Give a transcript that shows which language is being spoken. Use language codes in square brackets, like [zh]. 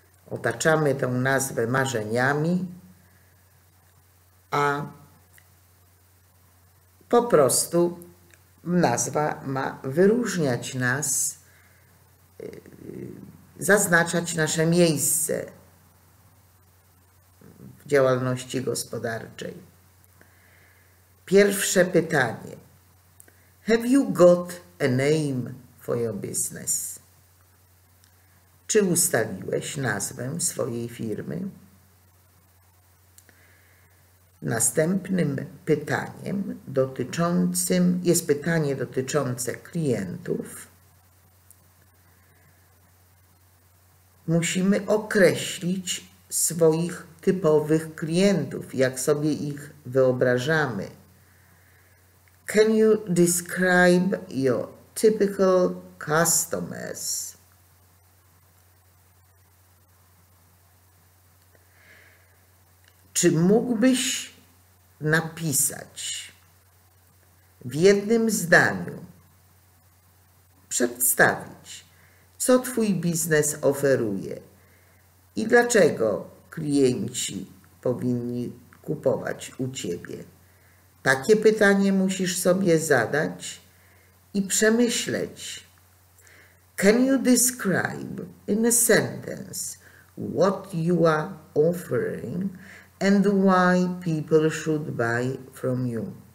[pl] Otaczamy tę nazwę marzeniami, a po prostu nazwa ma wyróżniać nas, zaznaczać nasze miejsce w działalności gospodarczej. Pierwsze pytanie. [en] Have you got a name for your business? [pl] Czy ustaliłeś nazwę swojej firmy? Następnym pytaniem dotyczącym jest pytanie dotyczące klientów. Musimy określić swoich typowych klientów, jak sobie ich wyobrażamy. [en] Can you describe your typical customers? [pl] Czy mógłbyś napisać w jednym zdaniu, przedstawić, co twój biznes oferuje i dlaczego klienci powinni kupować u ciebie? Takie pytanie musisz sobie zadać i przemyśleć. [en] Can you describe in a sentence what you are offering and why people should buy from you?